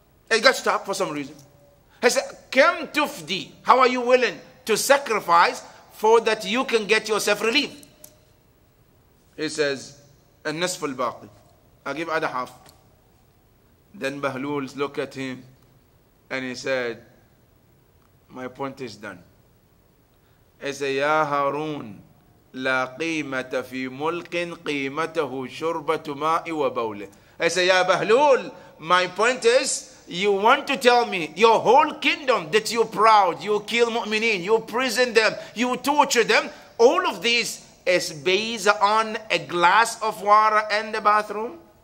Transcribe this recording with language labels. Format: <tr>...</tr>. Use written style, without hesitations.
<en>It got stuck for some reason. He said,</en> <ar>كم تفدي,</ar> <en>how are you willing to sacrifice for that you can get yourself relief? He says,</en> <ar>النصف الباقي,</ar> <en>I'll give other half. Then Bahlul looked at him and he said, my point is done.</en> <ar>He said, Ya Harun, لا قيمة في ملك قيمته شربة ماء وبوله.</ar> <en>He said, Ya Bahlul, my point is, you want to tell me your whole kingdom that you proud, you kill mu'mineen, you prison them, you torture them, all of these is based on a glass of water and a bathroom?</en>